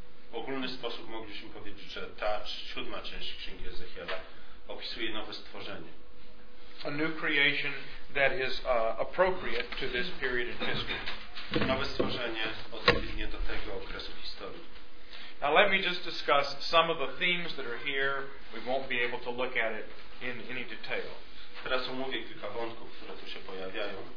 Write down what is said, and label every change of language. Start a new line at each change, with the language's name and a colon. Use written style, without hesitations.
Polish: W ogólny sposób moglibyśmy powiedzieć, że ta siódma część Księgi Ezechiela opisuje nowe stworzenie.
English: A new creation that is appropriate to this period in history.
Polish: Nowe stworzenie odpowiednie do tego okresu historii.
English: Now let me just discuss some of the themes that are here. We won't be able to look at it in any detail.
Polish: Teraz omówię kilka wątków, które tu się pojawiają.